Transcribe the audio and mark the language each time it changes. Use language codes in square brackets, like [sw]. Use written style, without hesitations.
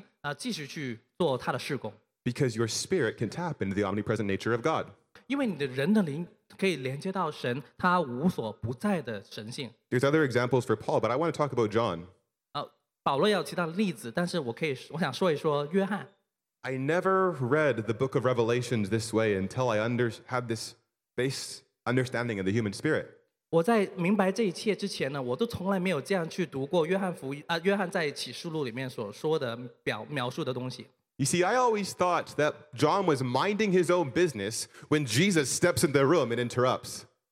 [zh] 但是他在地中海沿岸他所有布道过的地方,他却用他的灵继续去做他的事工。 [en] Because your spirit can tap into the omnipresent nature of God. [zh] 因为你的人的灵可以连接到神,他无所不在的神性。 [en] There's other examples for Paul, but I want to talk about John. [zh] 保罗有其他的例子,但是我想说一说约翰。 [en] I never read the book of Revelations this way until I had this base understanding of the human spirit. [zh] 我在明白这一切之前呢,我都从来没有这样去读过约翰在启示录里面所说的描述的东西。 [en] You see, I always thought that John was minding his own business when Jesus steps in the room and interrupts.